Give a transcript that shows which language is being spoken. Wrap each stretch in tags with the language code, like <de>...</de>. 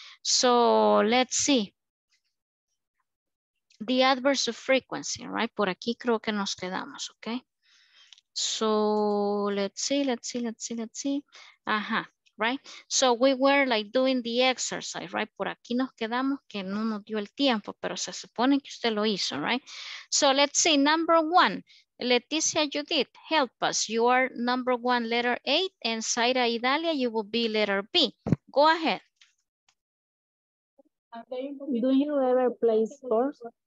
<en>So let's see. The adverbs of frequency, right?</en> <es>Por aquí creo que nos quedamos,</es> <en>okay? So let's see. Ajá. Right, so we were like doing the exercise, right?</en> <es>Por aquí nos quedamos que no nos dio el tiempo, pero se supone que usted lo hizo, right?</es> <en>So let's see, number one, Leticia Judith, help us. You are number one, letter A, and Zaira Idalia, you will be letter B. Go ahead. Do you ever play sports?</en>